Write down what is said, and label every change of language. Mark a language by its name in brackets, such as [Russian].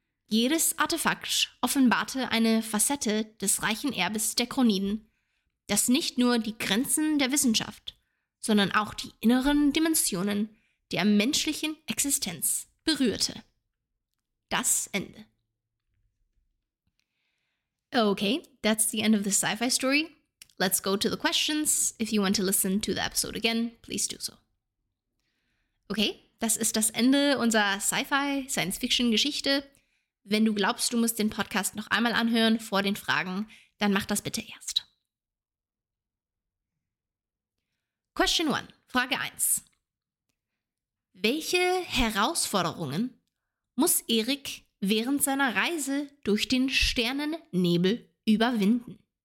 [German] Jedes Artefakt offenbarte eine Facette des reichen Erbes der Kroniden, das nicht nur die Grenzen der Wissenschaft, sondern auch die inneren Dimensionen der menschlichen Existenz berührte. Das Ende. [English] Okay, that's the end of the sci-fi story. Let's go to the questions. If you want to listen to the episode again, please do so. [German] Okay, das ist das Ende unserer Sci-fi Science-Fiction-Geschichte. Wenn du glaubst, du musst den Podcast noch einmal anhören vor den Fragen, dann mach das bitte erst. [English] Question 1, [German] Frage 1. Welche Herausforderungen muss Erik während seiner Reise durch den Sternennebel überwinden?